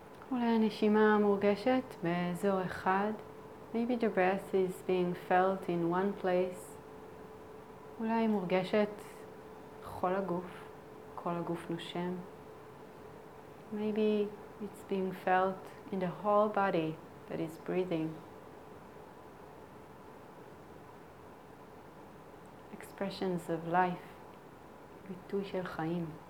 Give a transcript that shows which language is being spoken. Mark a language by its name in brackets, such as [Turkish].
[Hebrew] הנשימה מורגשת באזור אחד. [English] Maybe the breath is being felt in one place. [Hebrew] אולי מורגשת כל הגוף, כל הגוף נושם. [English] Maybe it's being felt in the whole body that is breathing. Expressions of life, [Hebrew] ביטוי של חיים.